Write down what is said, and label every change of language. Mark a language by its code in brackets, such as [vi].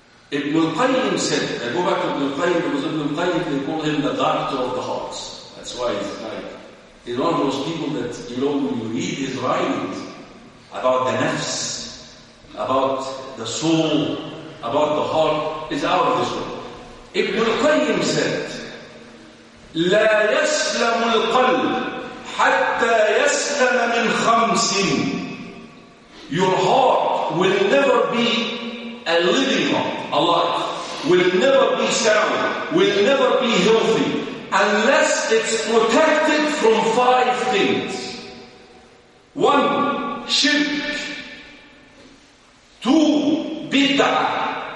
[en] Ibn al-Qayyim said, I go back to Ibn al-Qayyim, because Ibn al-Qayyim, they call him the doctor of the hearts. That's why he's like, he's one of those people that, you know, when you read his writings about the nafs, about the soul, about the heart, is out of this world. Ibn al-Qayyim said, [ar] لا يسلم القلب حتى يسلم من خمس. [en] Your heart will never be a living heart, alive, will never be sound, will never be healthy, unless it's protected from five things. One, shirk. Two, bid'ah.